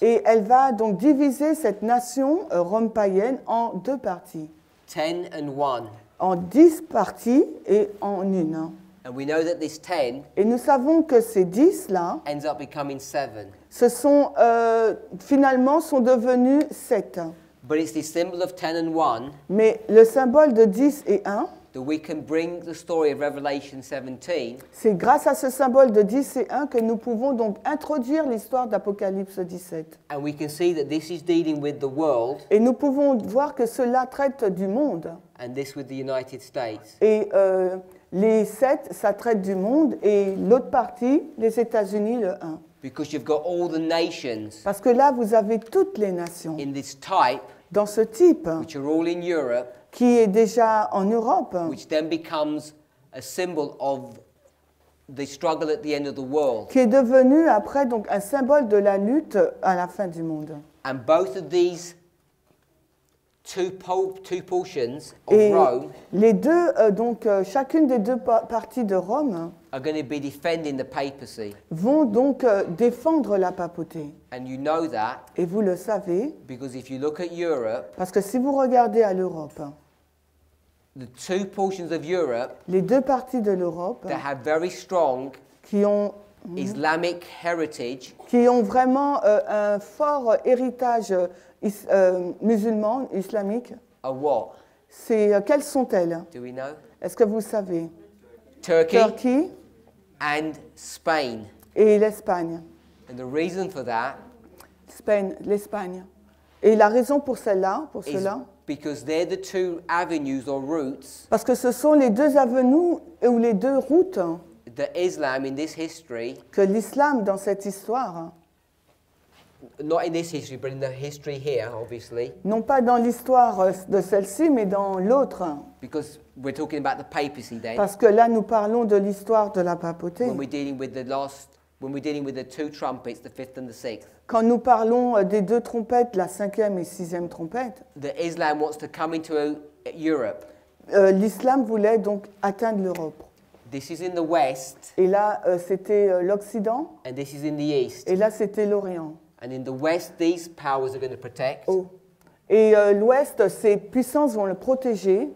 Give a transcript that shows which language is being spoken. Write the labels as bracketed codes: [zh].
[fr] Et elle va donc diviser cette nation, Rome païenne, en deux parties. [en] Ten and one. [fr] En 10 parties et en une. [en] And we know that this 10 [fr] et nous savons que ces 10 là [en] ends up becoming 7. [fr] Se sont finalement sont devenus 7. [en] But it's the symbol of 10 and 1. [fr] Mais le symbole de 10 et 1 [en] that we can bring the story of Revelation 17. [fr] C'est grâce à ce symbole de 10 et 1 que nous pouvons donc introduire l'histoire d'Apocalypse 17. [en] And we can see that this is dealing with the world. [fr] Et nous pouvons voir que cela traite du monde. [en] And this with the United States. [fr] Et les 7, ça traite du monde et l'autre partie, les États-Unis, le 1. [en] Because you've got all the nations. [fr] Parce que là, vous avez toutes les nations. [en] In this type. [fr] Dans ce type. [en] Which are all in Europe. [fr] Qui est déjà en Europe. [en] Which then becomes a symbol of the struggle at the end of the world. [fr] Qui est devenu après donc un symbole de la lutte à la fin du monde. [en] And both of these two portions of [fr] et [en] Rome. [fr] Les deux donc chacune des deux parties de Rome. [en] Are going to be defending the papacy. [fr] Vont donc défendre la papauté. [en] And you know that. [fr] Et vous le savez. [en] Because if you look at Europe. [fr] Parce que si vous regardez à l'Europe. [en] The two portions of Europe. [fr] Les deux parties de l'Europe. [en] That have very strong. [fr] Qui ont. [en] Islamic heritage. [fr] Qui ont vraiment un fort héritage musulman islamique. [en] Are what? [fr] C'est quelles sont-elles? [en] Do we know? [fr] Est-ce que vous savez? [en] Turkey and Spain. [fr] Et l'Espagne. [en] And the reason for that. [fr] Spain, l'Espagne. Et la raison pour celle-là, pour cela. [en] Because they're the two avenues or routes. [fr] Parce que ce sont les deux avenues ou les deux routes. [en] The Islam in this history. [fr] Que l'islam dans cette histoire. [en] Not in this history, but in the history here, obviously. [fr] Non pas dans l'histoire de celle-ci, mais dans l'autre. [en] Because we're talking about the papacy then. [fr] Parce que là, nous parlons de l'histoire de la papauté. [en] When we're dealing with the last, when we're dealing with the two trumpets, the fifth and the sixth. [fr] Quand nous parlons des deux trompettes, la cinquième et sixième trompette. [en] The Islam wants to come into Europe. [fr] L'islam voulait donc atteindre l'Europe. [en] This is in the West. [fr] Et là, c'était l'Occident. [en] And this is in the East. [fr] Et là, c'était l'Orient. [en] And in the West, these powers are going to protect. Oh. [fr] Et l'Ouest, ces puissances vont le protéger.